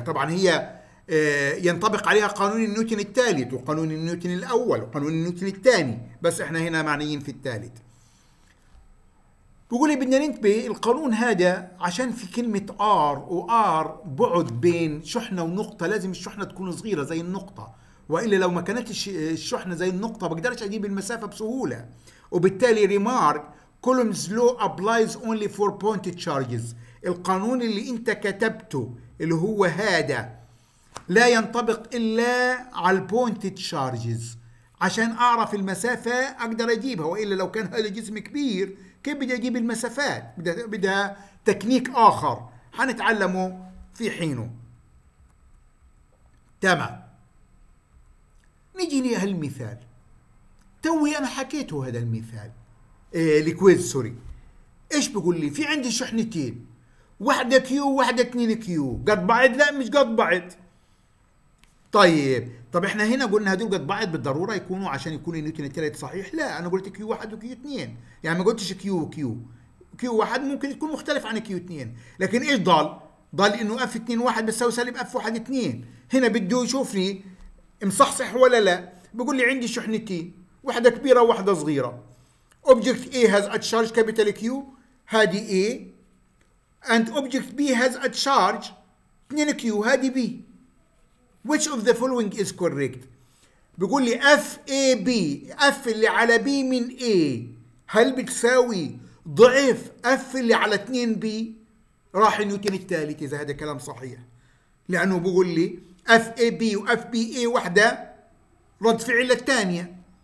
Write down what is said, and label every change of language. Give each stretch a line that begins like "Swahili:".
Arabic: طبعا هي ينطبق عليها قانون نيوتن الثالث وقانون نيوتن الأول وقانون نيوتن الثاني، بس احنا هنا معنيين في الثالث. بيقول لي بدنا ننتبه القانون هذا عشان في كلمة R و R بعد بين شحنة ونقطة، لازم الشحنة تكون صغيرة زي النقطة، وإلا لو ما كانت الشحنة زي النقطة بقدرش أجيب المسافة بسهولة. وبالتالي
English: remark Coulomb's law applies only for point charges.
Arabic: القانون اللي أنت كتبته اللي هو هذا لا ينطبق إلا على point charges عشان أعرف المسافة أقدر أجيبها، وإلا لو كان هذا جسم كبير كيف بدي أجيب المسافات؟ بدها تكنيك آخر حنتعلمه في حينه. تمام، نجي لهالمثال. توي أنا حكيته هذا المثال الكويز، سوري. إيش بقول لي؟ في عندي شحنتين، واحدة كيو واحدة اتنين كيو، قد بعد؟ لا مش قد بعد. طيب طب احنا هنا قلنا هدول قد بعد بالضرورة يكونوا عشان يكون النيوتن الثالث صحيح؟ لا، انا قلت كيو واحد وكيو اتنين، يعني ما قلتش كيو وكيو. كيو واحد ممكن يكون مختلف عن كيو اتنين، لكن ايش ضل؟ ضل انه اف اتنين واحد بتساوي سالب اف واحد اتنين. هنا بده يشوفني مصحصح ولا لا. بقول لي عندي شحنتين، واحدة كبيرة وواحدة صغيرة.
English: Object A has a charge capital Q،
Arabic: هادي A،
English: and Object B has a charge 2 Q،
Arabic: هادي B.
English: Which of the following is correct؟
Arabic: بقول لي F A B، F اللي على B من A هل بتساوي ضعف F اللي على 2 B؟ راح النيوتن الثالث إذا هذا كلام صحيح. لأنه بقول لي F A B و F B A واحدة رد فعل الثانية.